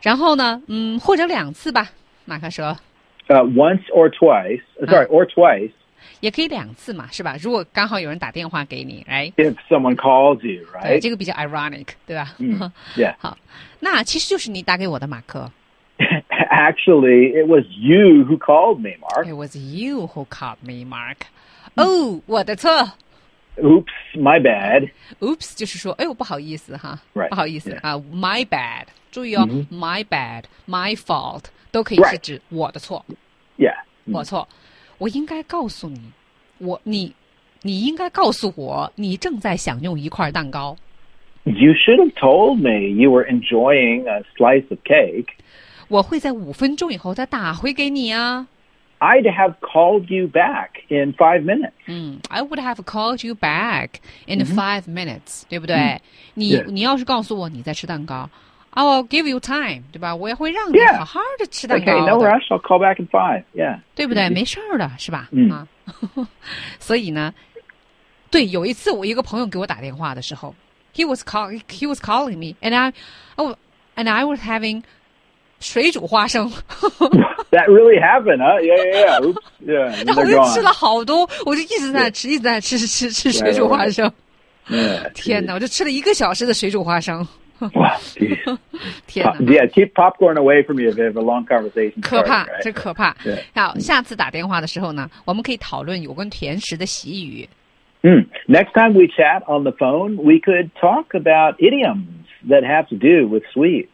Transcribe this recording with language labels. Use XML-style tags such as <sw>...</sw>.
<zh>然后呢，嗯，或者两次吧，马克说。</zh> <en>Once or twice. Sorry, or twice.</en> <zh>也可以两次嘛，是吧？如果刚好有人打电话给你 ，</zh> <en>right? If someone calls you, right?</en> <zh>对，这个比较 ironic， 对吧、</zh> <en>mm, ？Yeah.</en> <zh>好，那其实就是你打给我的，马克。</zh> <en>Actually, it was you who called me, Mark. It was you who called me, Mark. Oh,、mm.</en> <zh>我的错。</zh> <en>Oops, my bad.</en> <zh>Oops, 就是说，哎呦，不好意思哈，</zh> <en>right,</en> <zh>不好意思啊、</zh> <en>yeah. My bad.</en> <zh>注意哦、</zh> <en>mm-hmm. ，my bad, my fault</en> <zh>都可以是指我的错。</zh> <en>Right. Yeah.、</en> <zh>Mm. 我错。我应该告诉你，你应该告诉我，你正在享用一块蛋糕。</zh> <en>You should have told me you were enjoying a slice of cake.</en> <zh>我会在五分钟以后再打回给你啊。</zh> <en>I'd have called you back in 5 minutes. 嗯 ，I would have called you back in、mm-hmm. 5 minutes.</en> <zh>对不对？ Mm-hmm. 你要是告诉我你在吃蛋糕。</zh> <en>I will give you time,</en> <zh>对吧？我也会让你好好的吃蛋糕的。</zh> <en>Okay, no rush. I'll call back in 5. Yeah.</en> <zh>对不对？没事儿的，是吧？嗯。所以呢，对，有一次我一个朋友给我打电话的时候 ，</zh> <en>he was calling me, and I was having</en> <zh>水煮花生。</zh> <en>That really happened, huh? Yeah. Oops. Yeah.</en> <zh>然后我就吃了好多，我就一直在吃水煮花生。</zh> <en>Yeah.</en> <zh>天哪！我就吃了一个小时的水煮花生。</zh> <en>Wow, yeah, keep popcorn away from you if you have a long conversation.</en> <zh>可怕，这、</zh> <en>right?</en> <zh>可怕。</zh> <en>Yeah.</en> <zh>好，下次打电话的时候呢，我们可以讨论有关甜食的习语。 Mm.</zh> <en>Next time we chat on the phone, we could talk about idioms that have to do with sweets.</en>